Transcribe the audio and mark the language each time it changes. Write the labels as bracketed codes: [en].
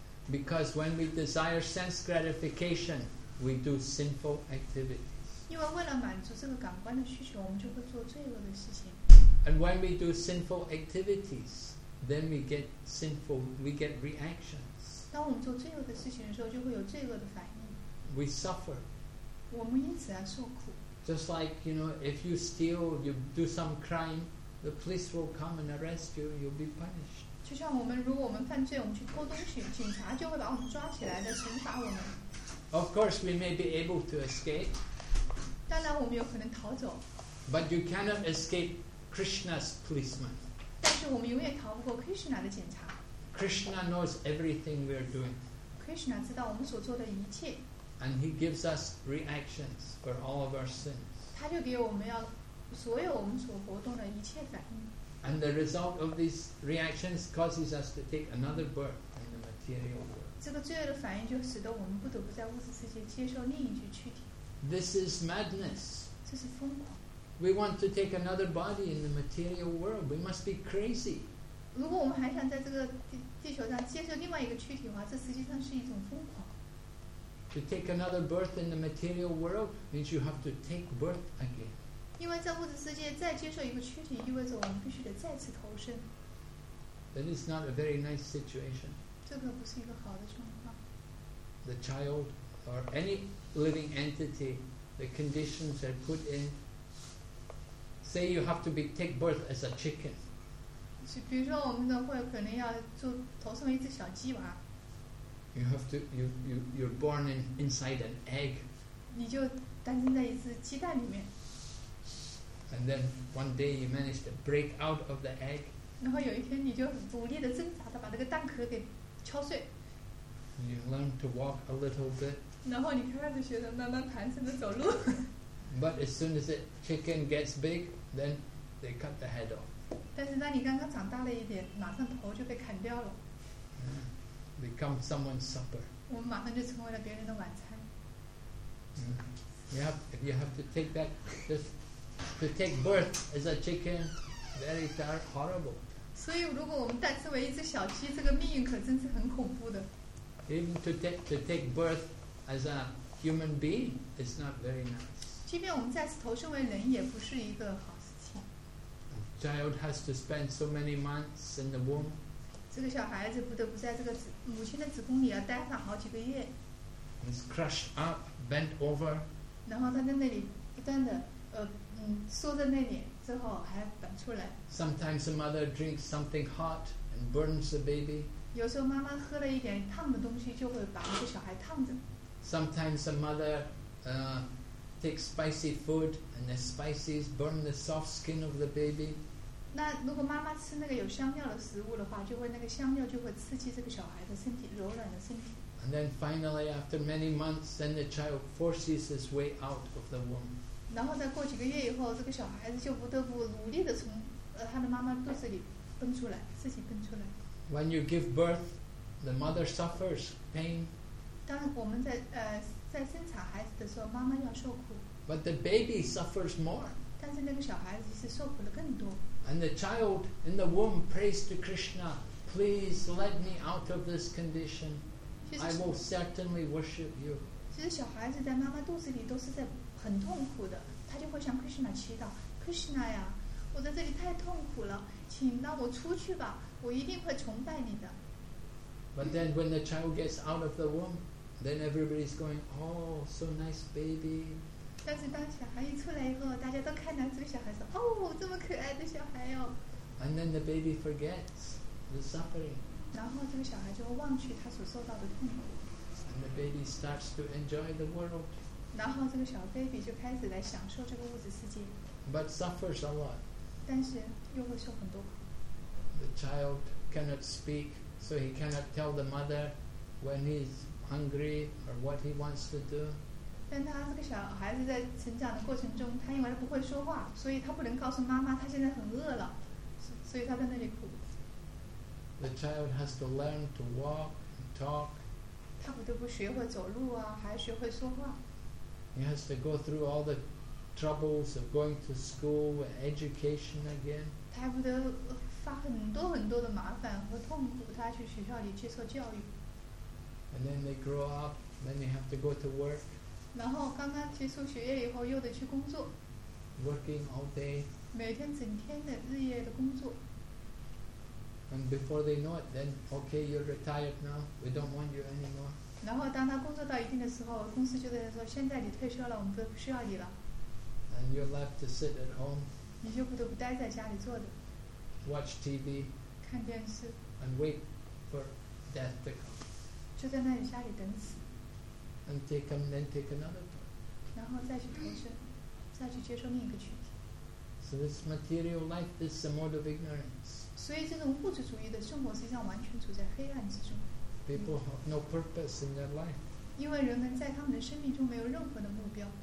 [en] Because when we desire sense gratification, we do sinful activities. [zh] 因为为了满足这个感官的需求，我们就会做罪恶的事情。 [en] And when we do sinful activities, then we get sinful. We get reactions. [zh] 当我们做罪恶的事情的时候，就会有罪恶的反应。 [en] We suffer. [zh] 我们因此而受苦。 [en] Just like, you know, if you steal, you do some crime, the police will come and arrest you, you'll be punished. [zh] 就像我们，如果我们犯罪，我们去偷东西，警察就会把我们抓起来的，惩罚我们。 [en] Of course, we may be able to escape. [zh] 当然，我们有可能逃走。 [en] But you cannot escape Krishna's policeman. [zh] 但是我们永远逃不过 Krishna 的警察。 [en] Krishna knows everything we are doing. [zh] Krishna 知道我们所做的一切。 [en] And he gives us reactions for all of our sins. [zh] 他就给我们要所有我们所活动的一切反应。 [en] And the result of these reactions causes us to take another birth in the material world. [zh] 这个罪恶的反应就使得我们不得不在物质世界接受另一具躯体。 [en] This is madness. [zh] 这是疯狂。 [en] We want to take another body in the material world. We must be crazy. [zh] 如果我们还想在这个地球上接受另外一个躯体的话，这实际上是一种疯狂。 [en] To take another birth in the material world means you have to take birth again. [zh] 因为在物质世界再接受一个躯体，意味着我们必须得再次投生。 [en] That is not a very nice situation. [zh] 这个不是一个好的状况。 [en] The child or any living entity, the conditions are put in. Say you have to take birth as a chicken. [zh] 比如说我们的会可能要做投生为一只小鸡娃。 [en] You have to. You're born in, inside an egg. [zh] 你就诞生在一只鸡蛋里面。 [en] And then one day you manage to break out of the egg. [zh] 然后有一天你就努力的挣扎的把这个蛋壳给敲碎。 [en] You learn to walk a little bit. [zh] 然后你开始学着慢慢弹性的走路。 [en] But as soon as the chicken gets big, then they cut the head off. [zh] 但是当你刚刚长大了一点，马上头就被砍掉了。 [en] Become someone's supper. [zh] 我们马上就成为了别人的晚餐。 [en] You have to take that just to take birth as a chicken, very dark, horrible. [zh] 所以，如果我们诞生为一只小鸡，这个命运可真是很恐怖的。 [en] Even to take birth as a human being is not very nice. [zh] 即便我们再次投生为人，也不是一个好事情。 [en] A child has to spend so many months in the womb. [zh] 这个小孩子不得不在这个母亲的子宫里要待上好几个月。 [en] He's crushed up, bent over. [zh] 然后他在那里不断的缩在那里，之后还反出来。 [en] Sometimes the mother drinks something hot and burns the baby. [zh] 有时候妈妈喝了一点烫的东西，就会把那个小孩烫着。 [en] Sometimes the mother takes spicy food and the spices burn the soft skin of the baby. [zh] 那如果妈妈吃那个有香料的食物的话，就会那个香料就会刺激这个小孩的身体，柔软的身体。 [en] And then finally, after many months, then the child forces his way out of the womb. [zh] 然后再过几个月以后，这个小孩子就不得不努力的从他的妈妈肚子里蹦出来，自己蹦出来。 [en] When you give birth, the mother suffers pain. [zh] 当我们在生产孩子的时候，妈妈要受苦。 [en] But the baby suffers more. [zh] 但是那个小孩子是受苦了更多。 [en] And the child in the womb prays to Krishna, please let me out of this condition. I will certainly worship you. [zh] 其实小孩子在妈妈肚子里都是在很痛苦的，他就会向 Krishna 祈祷 ，Krishna 呀，我在这里太痛苦了，请让我出去吧，我一定会崇拜你的。 [en] But then when the child gets out of the womb, then everybody's going, oh, so nice baby. [zh] 但是当小孩一出来以后，大家都看到这个小孩说：“哦，这么可爱的小孩哟。” [en] And then the baby forgets the suffering. [zh] 然后这个小孩就会忘去他所受到的痛苦。 [en] And the baby starts to enjoy the world. [zh] 然后这个小 baby 就开始来享受这个物质世界。 [en] But suffers a lot. [zh] 但是又会受很多苦。 [en] The child cannot speak, so he cannot tell the mother when he's hungry or what he wants to do. [zh] 但他这个小孩子在成长的过程中，他因为他不会说话，所以他不能告诉妈妈他现在很饿了，所以他在那里哭。 [en] The child has to learn to walk and talk. [zh] 他不得不学会走路啊，还学会说话。 [en] He has to go through all the troubles of going to school and education again. [zh] 他还不得发很多很多的麻烦和痛苦，他去学校里接受教育。 [en] And then they grow up, then they have to go to work. [zh] 然后刚刚结束学业以后又得去工作 [en] working all day [zh] 每天整天的日夜的工作 [en] and before they know it then okay you're retired now we don't want you anymore [zh] 然后当他工作到一定的时候公司就在说现在你退休了我们不需要你了 [en] and you're left to sit at home [zh] 你就不得不待在家里坐着 [en] watch TV [zh] 看电视 [en] and wait for death to come [zh] 就在那里家里等死 [en] And take him, then take another one. [zh] 然后再去投生，再去接受另一个躯体。 [en] So this material life is a mode of ignorance. [zh] 所以这种物质主义的生活实际上完全处在黑暗之中。 [en] People have no purpose in their life. [zh] 因为人们在他们的生命中没有任何的目标。